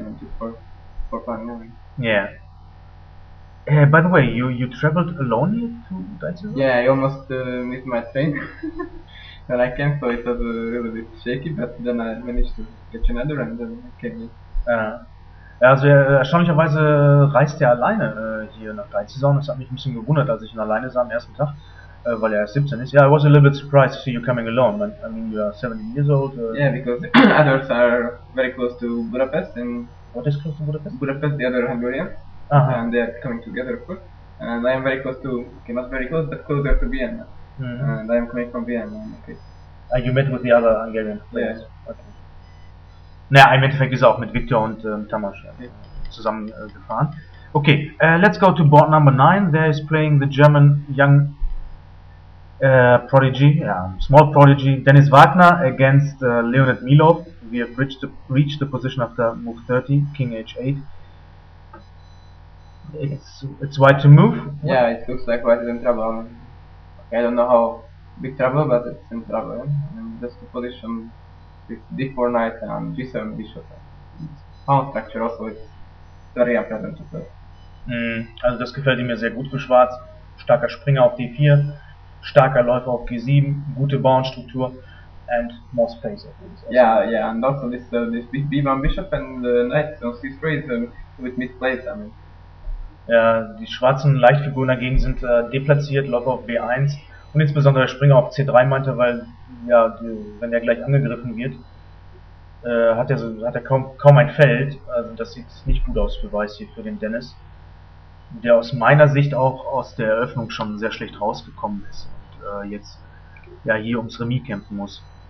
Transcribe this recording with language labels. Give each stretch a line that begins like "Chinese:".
English: I mean, why not try, just for fun. I mean. Yeah. By the way, you traveled alone here to Daisuke? Yeah, I almost missed my train when I came, so it was a little bit shaky, but then I managed to catch another and then I came here.
German: Also erstaunlicherweise reist er alleine hier nach Daisuke. Das hat mich ein bisschen gewundert, als ich ihn alleine sah am ersten Tag, weil er 17 ist.
English: Yeah, I was a little bit surprised to see you coming alone. I mean, you are 17 years old. Yeah, because the others are very close to Budapest. And what is close to Budapest? Budapest, the other Hungarian. Uh-huh. And they are coming together, of course. And I am very close to, okay, not very close, but closer to Vienna. Mm-hmm. And I am coming from Vienna, okay. And you met with the other Hungarian players? Yes. Okay.
German: Naja, im Endeffekt ist er auch mit Viktor und Tamás zusammen gefahren.
English: Okay, let's go to board number 9. There is playing the German young prodigy, small prodigy, Dennis Wagner against Leonid Milov. we have reached the position after move 30, king h8. It's white to move. Yeah, it looks like white is in trouble. I don't know how big trouble, but it's in trouble. And just the position with d4 knight and g7 bishop. Pawn structure also is very unpleasant to play.
German: Also das gefällt mir sehr gut für Schwarz. Starker Springer auf d4, starker Läufer auf g7, gute Bauernstruktur
English: and more space. Yeah, and also this b1 bishop and the knight on c3 is a bit misplaced. I mean.
German: Ja, die schwarzen Leichtfiguren dagegen sind deplatziert, Läufer auf b1 und insbesondere der Springer auf c3 meinte, weil ja, wenn der gleich angegriffen wird, hat er kaum ein Feld. Also das sieht nicht gut aus für Weiß hier, für den Dennis, der aus meiner Sicht auch aus der Eröffnung schon sehr schlecht rausgekommen ist und jetzt ja hier ums Remis kämpfen muss.